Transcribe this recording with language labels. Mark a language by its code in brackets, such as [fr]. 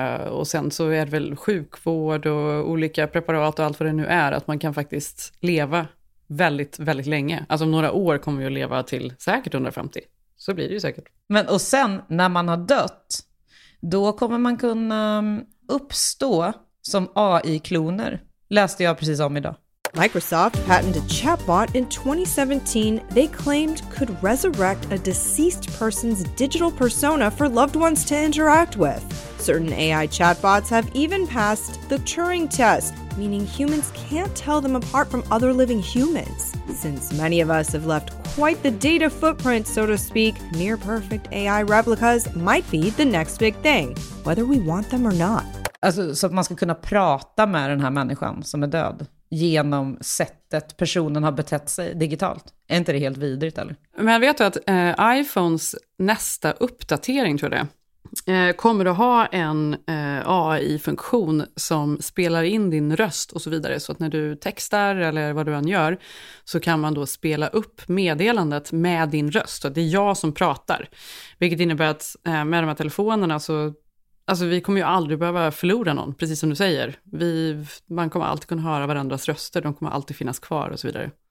[sv] Och sen så är det väl sjukvård och olika preparat och allt vad det nu är, att man kan faktiskt leva väldigt, väldigt länge. Alltså om några år kommer vi att leva till säkert 150. Så blir det ju säkert. Men och sen när man har dött, då kommer man kunna uppstå som AI-kloner. Läste jag precis om idag. [en] Microsoft patented chatbot in 2017 they claimed could resurrect a deceased person's digital persona for loved ones to interact with. Certain AI chatbots have even passed the Turing test, meaning humans can't tell them apart from other living humans. Since many of us have left quite the data footprint, so to speak, near-perfect AI replicas might be the next big thing, whether we want them or not. [sv] Alltså, så att man ska kunna prata med den här människan som är död genom sättet personen har betett sig digitalt. Är inte det helt vidrigt, eller? Men vet du att iPhones nästa uppdatering, tror jag, kommer att ha en AI-funktion som spelar in din röst och så vidare, så att när du textar eller vad du än gör så kan man då spela upp meddelandet med din röst, och det är jag som pratar, vilket innebär att med de här telefonerna så, alltså, vi kommer ju aldrig behöva förlora någon, precis som du säger, man kommer alltid kunna höra varandras röster, de kommer alltid finnas kvar och så vidare.